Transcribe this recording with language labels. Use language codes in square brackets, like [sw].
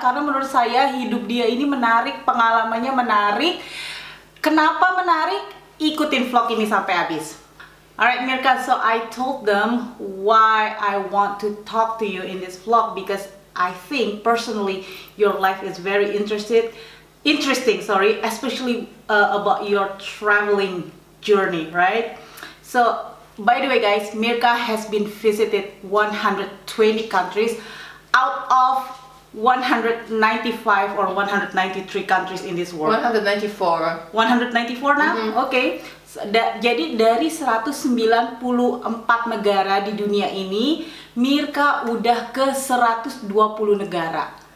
[id] Karena menurut saya hidup dia ini menarik, pengalamannya menarik. Kenapa menarik? Ikutin vlog ini sampai habis. [en] Alright Mirka, so I told them why I want to talk to you in this vlog because I think personally your life is very interesting, especially about your traveling journey, right? So by the way guys, Mirka has been visited 120 countries out of 195 or 193 countries in this world. 194 now? Mm-hmm. Okay. [id] Jadi dari 194 negara di dunia ini, Mirka udah ke 120 negara.